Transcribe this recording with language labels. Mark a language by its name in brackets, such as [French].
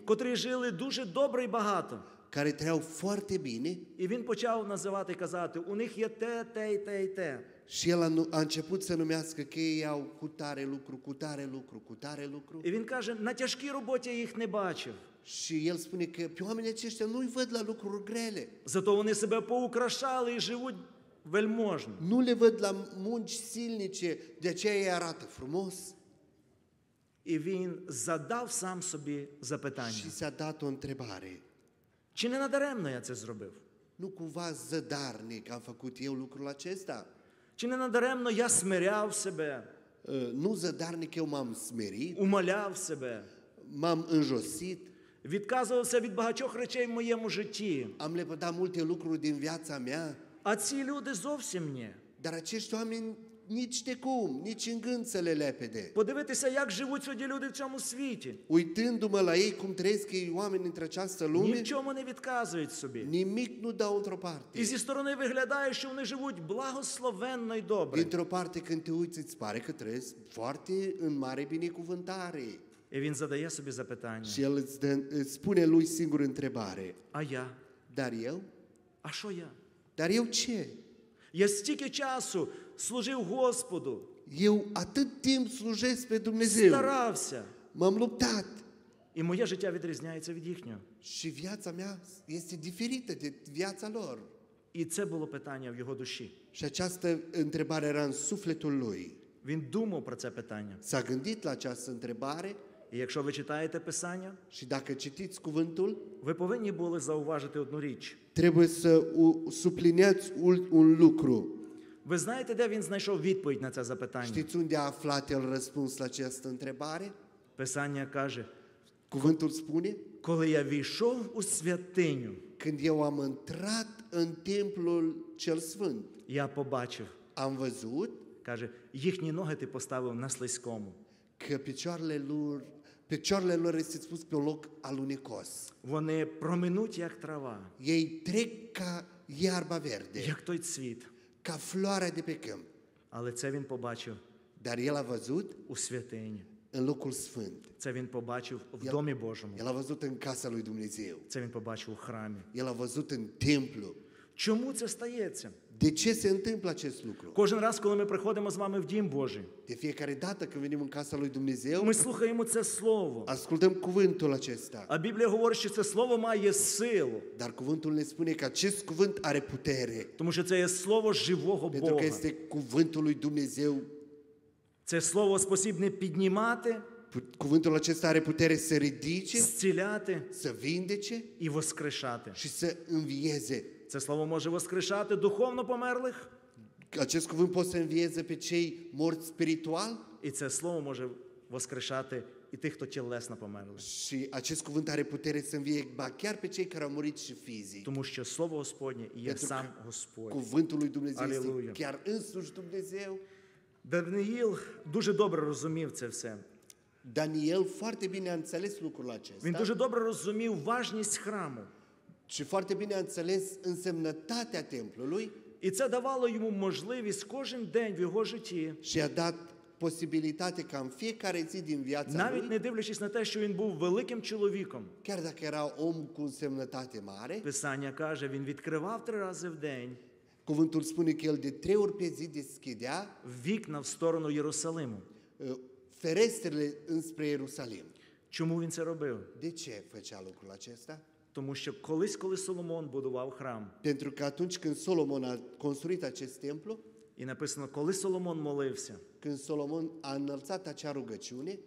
[Ukrainian] Котрі жили дуже добре і багато. [Romanian] Care trăiau foarte bine. [Ukrainian] І він почав називати, казати, у них є те, те, те, те. [Romanian] Și el a început să numească că ei au cu tare lucru, cu tare lucru, cu tare lucru. [Ukrainian] І він каже, на тяжкій роботі їх не бачив. [Romanian] Și el spune că pe oamenii aceștia nu-i văd la lucruri grele. [Ukrainian] Зато вони себе поукрашали і живуть вельможно. [Romanian] Nu le văd la munci silnice, de aceea ei arată frumos. [Ukrainian] І він задав сам собі запитання. [Romanian] Și s-a dat o întrebare. [Ukrainian] Чи не надаремно я це зробив? [Romanian] Nu cumva zădarnic am făcut eu lucrul acesta? [Ukrainian] Чи не надаремно я смиряв себе? [Romanian] Nu zădarnic eu m-am смирit. [Ukrainian] Умоляв себе. [Romanian] M-am înjosit. [Ukrainian] Відказувався від багатьох речей в моєму житті. [Romanian] Am lepădat multe lucruri din viața mea. [Ukrainian] А ці люди зовсім ні. [Romanian] Dar acești oameni nici de cum, nici în gând să le lepede. [Ukrainian] Подивитися, як живуть сьогодні люди в цьому світі. [Romanian] Uitându-mă la ei, cum trăiesc ei oameni într-o această lume. [Ukrainian] Нічому не відказують собі. [Romanian] Nimic nu dau într-o parte. [Ukrainian] І зі сторони виглядає, що вони живуть благословенно і добре. [Romanian] Dintr-o parte, când te uiți, îți pare că trăiesc foarte în mare binecuvântare. [Ukrainian] І він задає собі запитання. [Romanian] Și el îți dă, îți spune lui singur întrebare. [Ukrainian] А я? [Romanian] Dar eu? [Ukrainian] А що я? [Romanian] Dar eu ce? [Ukrainian] Я стільки часу служив Господу. [Romanian] Eu atât timp slujesc pe Dumnezeu. [Ukrainian] Старався. [Romanian] M-am luptat. [Ukrainian] І моє життя відрізняється від їхнього. [Romanian] Și viața mea este diferită de viața lor. [Ukrainian] І це було питання в його душі. [Romanian] Și această întrebare era în sufletul lui. [Ukrainian] Він думав про це питання. [Romanian] S-a gândit la această întrebare. [Ukrainian] І якщо ви читаєте Писання, [Romanian] și dacă citiți cuvântul, [Ukrainian] ви повинні були зауважити одну річ. [Romanian] Trebuie să suplineați un lucru. [Ukrainian] Ви знаєте, де він знайшов відповідь на це запитання? [Romanian] Știți unde a aflat el răspuns la această întrebare? [Ukrainian] Писання каже, [Romanian] cuvântul spune, [Ukrainian] коли я війшов у святиню, [Romanian] când eu am intrat în templul cel sfânt, [Ukrainian] я побачив, [Romanian] am văzut, [Ukrainian] каже, їхні ноги ти поставив на слизькому. [Romanian] Că picioarele lor Picioarele lor este spus pe un loc alunecos. [Ukrainian] Вони проминуть як трава. [Romanian] Ei trec ca iarba verde. [Ukrainian] Як той цвіт. [Romanian] Ca floarea de pe câmp. [Ukrainian] Але це він побачив. [Romanian] Dar el a văzut [Ukrainian] у святині. [Romanian] În locul sfânt. [Ukrainian] Це він побачив в домі Божому. [Romanian] El a văzut în casa lui Dumnezeu. [Ukrainian] Це він побачив у храмі. [Romanian] El a văzut în templu. [Ukrainian] Чому це стається? [Romanian] De ce se întâmplă acest lucru? [Ukrainian] Кожен раз, коли ми приходимо з вами в дім Божий. [Romanian] De fiecare dată când venim în casa lui Dumnezeu. [Ukrainian] Ми слухаємо це слово. [Romanian] Ascultăm cuvântul acesta. [Ukrainian] А Біблія говорить, що це слово має силу. [Romanian] Dar cuvântul ne spune că acest cuvânt are putere. [Ukrainian] Тому що це є слово живого Бога. [Romanian] Pentru că este cuvântul lui Dumnezeu. [Ukrainian] Це слово способне піднімати. [Romanian] Cuvântul acesta are putere să ridice. [Ukrainian] Зціляти. [Romanian] Să vindece. [Ukrainian] І воскрешати. [Romanian] Și să învieze. [Ukrainian] Це слово може воскрешати духовно померлих. [Romanian] Acest cuvânt poate să învieze pe cei morți spiritual. [Ukrainian] І це слово може воскрешати і тих, хто тілесно померли. [Romanian] Și acest cuvânt are putere să învie chiar pe cei care au murit și fizic. [Ukrainian] Тому що слово Господнє є сам Господь. [Romanian] Cuvântul lui Dumnezeu este chiar însuși Dumnezeu. [Ukrainian] Даниїл дуже добре розумів це все. [Romanian] Daniel foarte bine a înțeles lucrul acesta. [Ukrainian] Він дуже добре розумів важність храму. [Romanian] Și foarte bine a înțeles însemnătatea templului. [Ukrainian] І це давало йому можливість кожен день в його житті. [Romanian] Și a dat posibilitate ca în fiecare zi din viața lui. [Ukrainian] Навіть не дивлячись на те, що він був великим чоловіком. [Romanian] Chiar dacă era om cu însemnătate mare. [Ukrainian] Писання каже, він відкривав три рази в день. [Romanian] Cuvântul spune că el de trei ori pe zi deschidea [Ukrainian] вікна в сторону Єрусалиму. [Romanian] Ферестрили înspre Ierusalim. [Ukrainian] Чому він це робив? [Romanian] De ce făcea lucrul acesta? [Ukrainian] Тому що колись, коли Соломон будував храм. [Romanian] Pentru că atunci când Solomon a construit acest templu. [Ukrainian] І написано, коли Соломон молився. [Romanian] Când Solomon a înălțat acea rugăciune.